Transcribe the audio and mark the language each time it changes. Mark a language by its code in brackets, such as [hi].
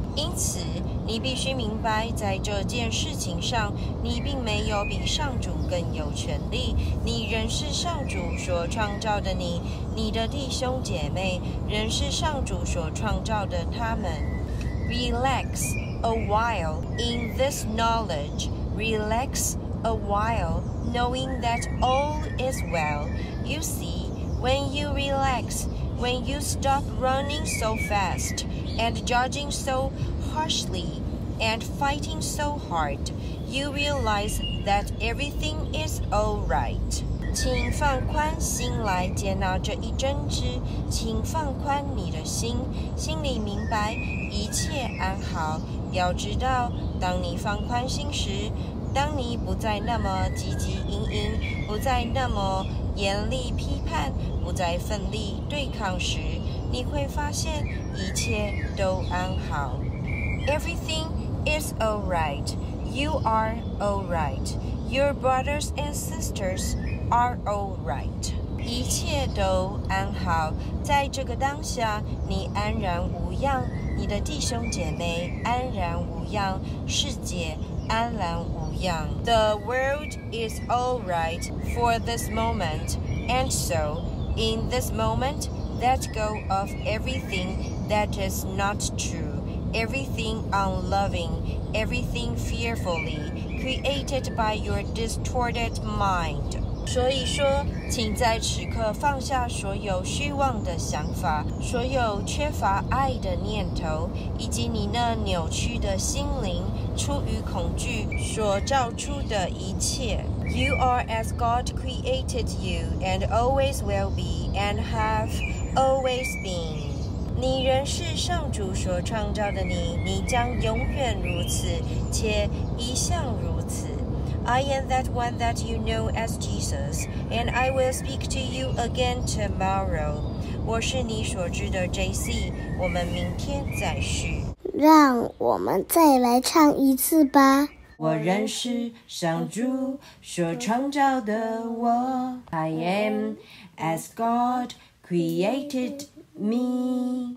[zh] 因此，你必须明白，在这件事情上，你并没有比上主更有权力。你仍是上主所创造的你，你的弟兄姐妹仍是上主所创造的他们。 [en] Relax a while in this knowledge. Relax a while, knowing that all is well. You see, when you relax, when you stop running so fast and judging so harshly and fighting so hard, you realize that everything is all right. [zh] 请放宽心来接纳这一真知，请放宽你的心，心里明白一切安好。要知道，当你放宽心时，当你不再那么汲汲营营，不再那么严厉批判，不再奋力对抗时，你会发现一切都安好。 [en] Everything is all right. You are all right. Your brothers and sisters. Are all right. [zh] 一切都安好，在这个当下，你安然无恙，你的弟兄姐妹安然无恙，世界安然无恙。 [en] The world is all right for this moment, and so, in this moment, let go of everything that is not true, everything unloving, everything fearfully created by your distorted mind. [zh] 所以说，请在此刻放下所有虚妄的想法，所有缺乏爱的念头，以及你那扭曲的心灵，出于恐惧所造出的一切。 [en] You are as God created you, and always will be, and have always been. [zh] 你仍是上主所创造的你，你将永远如此，且一向如此。 [en] I am that one that you know as Jesus, and I will speak to you again tomorrow. [zh] 我是你所知的 JC, 我们明天再续。让我们再来唱一次吧。我仍是上主所创造的我。 [en] I am as God created me.